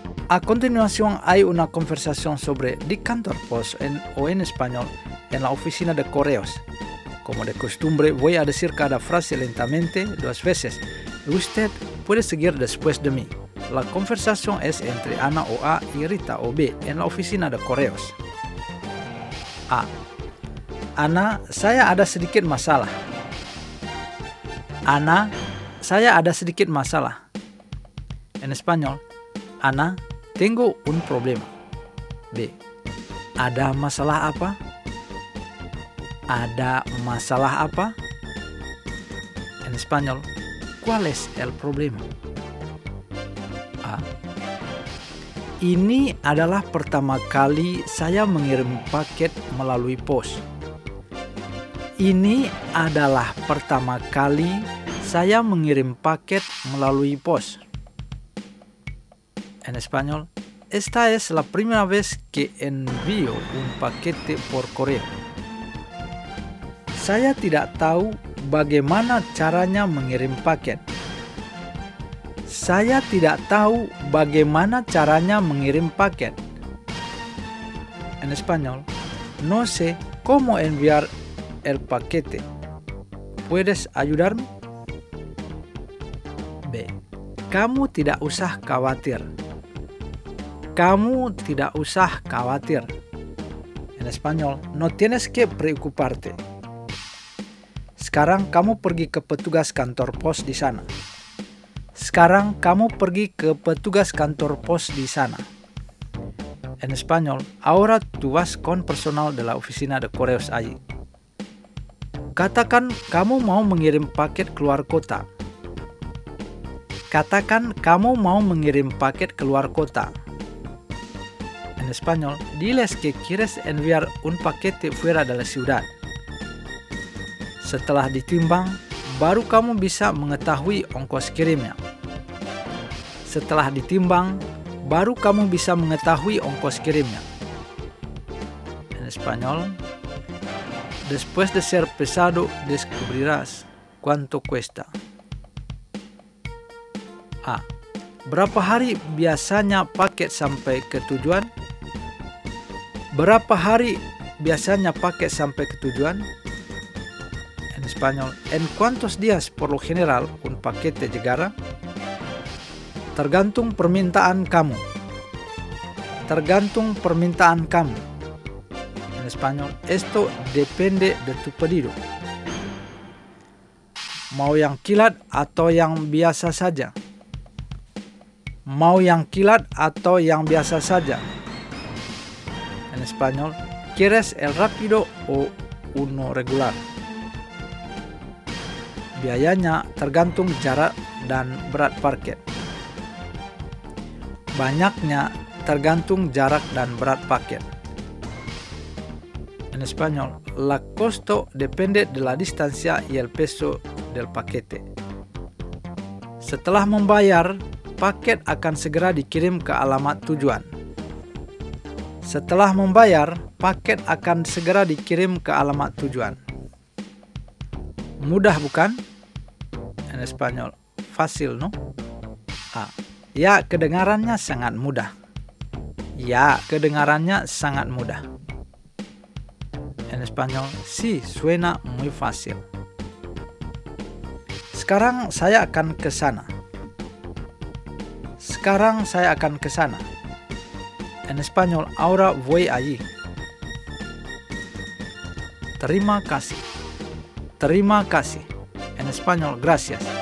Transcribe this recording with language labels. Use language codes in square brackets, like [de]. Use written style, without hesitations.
[es] A continuación hay una conversación sobre de cantor post en, o en español en la oficina de correos. Como de costumbre, voy a decir cada frase lentamente dos veces. Usted puede seguir después de mí. La conversación es entre Ana o A y Rita o B en la oficina de correos. A. [id] Ana, saya ada sedikit masalah. Ana, saya ada sedikit masalah. [es] En español, Ana, tengo un problema. B. [id] Ada masalah apa? Ada masalah apa? [es] En español, ¿cuál es el problema? A. [id] Ini adalah pertama kali saya mengirim paket melalui pos. Ini adalah pertama kali saya mengirim paket melalui pos. [es] En español, esta es la primera vez que envío un paquete por correo. [id] Saya tidak tahu bagaimana caranya mengirim paket. Saya tidak tahu bagaimana caranya mengirim paket. [es] En español, no sé cómo enviar el paquete. ¿Puedes ayudarme? B. [id] Kamu tidak usah khawatir. Kamu tidak usah khawatir. [es] En español, no tienes que preocuparte. [id] Sekarang kamu pergi ke petugas kantor pos di sana. Sekarang kamu pergi ke petugas kantor pos di sana. [es] En español, ahora tú vas con personal de la oficina de correos allí. [id] Katakan kamu mau mengirim paket keluar kota. Katakan kamu mau mengirim paket keluar kota. [es] En español, diles que quieres enviar un paquete fuera de la ciudad. [id] Setelah ditimbang, baru kamu bisa mengetahui ongkos kirimnya. Setelah ditimbang, baru kamu bisa mengetahui ongkos kirimnya. [es] En español, después de ser pesado, descubrirás cuánto cuesta. A. [id] Berapa hari biasanya paket sampai ke tujuan? Berapa hari biasanya paket sampai ke tujuan? [es] En español, ¿en cuántos días por lo general un paquete llegará? [id] Tergantung permintaan kamu. Tergantung permintaan kamu. [es] En español, esto depende de tu pedido. [id] Mau yang kilat atau yang biasa saja? Mau yang kilat atau yang biasa saja? [es] En español, ¿quieres el rápido o uno regular? [id] Biayanya tergantung jarak dan berat paket. Banyaknya tergantung jarak dan berat paket. [es] En español, la costo depende de la distancia y el peso del paquete. [id] Setelah membayar, paket akan segera dikirim ke alamat tujuan. Setelah membayar, paket akan segera dikirim ke alamat tujuan. Mudah bukan? [es] En español, fácil, ¿no? A. [id] Ya, kedengarannya sangat mudah. Ya, kedengarannya sangat mudah. [es] En español, sí, suena muy fácil. [id] Sekarang saya akan ke sana. Sekarang saya akan ke sana. [es] En español, ahora voy allí. [id] Terima kasih. Terima kasih. [es] En español, gracias.